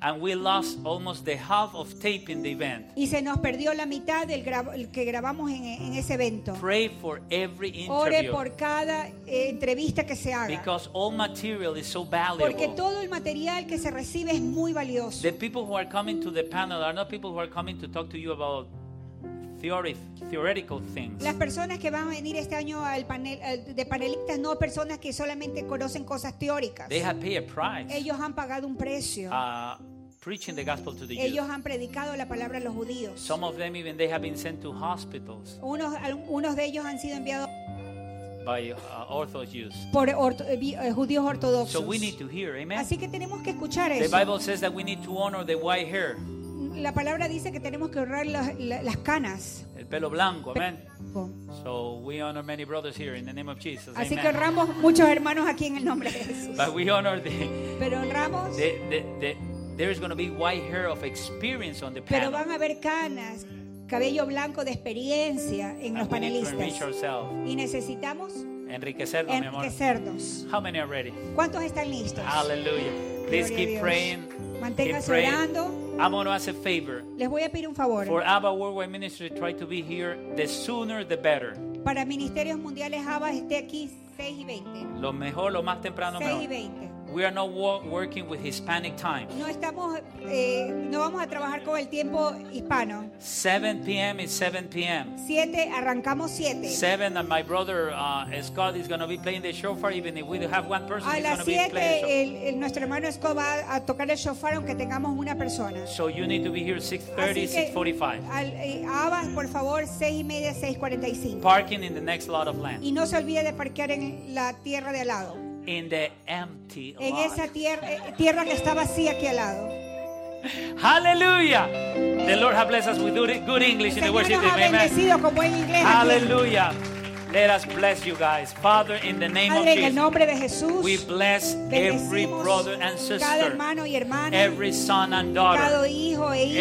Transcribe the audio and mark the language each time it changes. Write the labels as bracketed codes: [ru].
[en] And we lost almost the half of taping the event. [es] Y se nos perdió la mitad del que grabamos en ese evento. [en] Pray for every interview. [es] Ore por cada entrevista que se haga. [en] Because all material is so valuable. [es] Porque todo el material que se recibe es muy valioso. [en] The people who are coming to the panel are not people who are coming to talk to you about theoretical things. [es] Las personas que van a venir este año al panel de panelistas no personas que solamente conocen cosas teóricas. [en] They have paid a price. [es] Ellos han pagado un precio. [en] Preaching the gospel to the Jews. [es] Ellos han predicado la palabra a los judíos. [en] Some of them even they have been sent to hospitals. [es] Unos de ellos han sido enviados [en] by Orthodox Jews. [es] Por judíos ortodoxos. [en] So we need to hear, amen. [es] Así que tenemos que escuchar eso. [en] The Bible says that we need to honor the white hair. [es] La palabra dice que tenemos que honrar las canas. El pelo blanco, amén. [en] So we honor many brothers here in the name of Jesus. [es] Así amen. Que honramos muchos hermanos aquí en el nombre de Jesús. [en] But we honor the. [es] Pero honramos. [en] There is going to be white hair of experience on the panel. [es] Pero van a haber canas. cabello blanco de experiencia en los panelistas y necesitamos enriquecernos. [en] How many are ready? [es] ¿Cuántos están listos? [en] Hallelujah. Please keep praying. [es] Manténgase orando. [en] I'm going to ask a favor. [es] Les voy a pedir un favor. [en] For ABBA Worldwide Ministry, try to be here the sooner the better. [es] Para Ministerios Mundiales ABBA esté aquí 6:20. Lo mejor, lo más temprano mejor. 6:20. [en] We are not working with Hispanic time. [es] No estamos, no vamos a trabajar con el tiempo hispano. [en] 7 p.m. is 7 p.m. [es] 7, arrancamos 7. [en] 7, and my brother Scott is going to be playing the shofar, even if we have one person. [es] A las 7, nuestro hermano Scott va a tocar el shofar, aunque tengamos una persona. [en] So you need to be here 6:30, 6:45. [es] Abba, por favor, 6:30, 6:45. [en] Parking in the next lot of land. [es] Y no se olvide de parquear en la tierra de al lado. [en] In the empty lot. [es] En esa tierra que está vacía aquí al lado. [en] Hallelujah. The Lord has blessed us with good English in the worship team. Amen. Hallelujah. Let us bless you guys. Father, in the name [es] Padre, [en] of Jesus, [es] en el nombre de Jesús, [en] we bless every brother and sister, [es] cada hermano y hermana, [en] every son and daughter, [es] cada hijo e hija,